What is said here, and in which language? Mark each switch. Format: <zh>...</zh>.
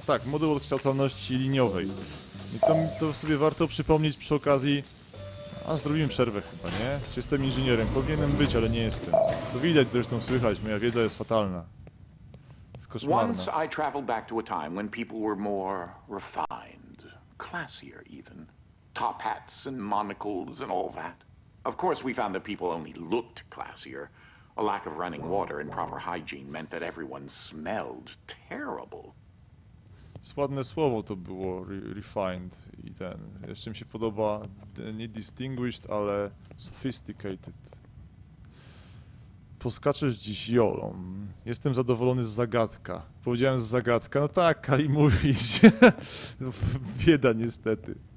<pl>Tak, moduł odkształcalności liniowej. I to sobie warto przypomnieć przy okazji... A zrobimy przerwę chyba, nie? Czy jestem inżynierem? Powinienem być, ale nie jestem. To widać, zresztą słychać, moja wiedza jest fatalna. Jest koszmarna.</pl> <en>Once I traveled back to a time when people were more refined, classier even. Top hats and monocles and all that. Of course we found that people only looked classier. A lack of running water and proper hygiene meant that everyone smelled terrible.</en> <pl>Ładne słowo to było, refined i ten. Jeszcze mi się podoba, nie distinguished, ale sophisticated. Poskaczesz dziś jolą. Jestem zadowolony z zagadka. Powiedziałem z zagadka, no tak, Kali mówić. Bieda niestety.</pl>